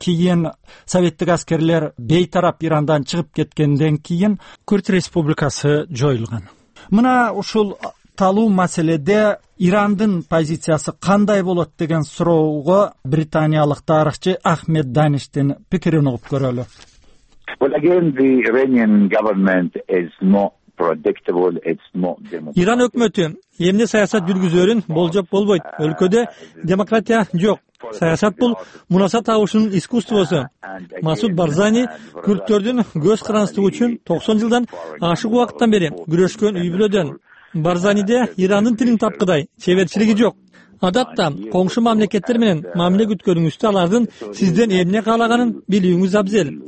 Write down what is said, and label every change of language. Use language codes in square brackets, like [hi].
[ky] Кийин советтик аскерлер бейтарап Ирандан чыгып кеткенден кийин күрд республикасы жоюлган. Мына ушул талуу маселеде Ирандын позициясы кандай болот деген суроого британиялык тарыхчы Ахмед Даништин пикирин угуп көрөлү. [en] Well, again, the Iranian government is not predictable, it's not democratic. [ky] Иран өкмөтү эмне саясат жүргүзөрүн болжоп болбойт. Өлкөдө демократия жок. Саясат бул мунасат табуушунун искусствосу. Масуд Барзани күрдтөрдүн көз карандысы үчүн 90 жылдан ашык убакыттан бери күрөшкөн үй бүлөдөн. Барзаниде Ирандын тилин тапкыдай чеберчилиги жок. Адатта коңшу мамлекеттер менен мамиле күткөрүңүздө алардын сизден эмне каалаганын билүүңүз абзел.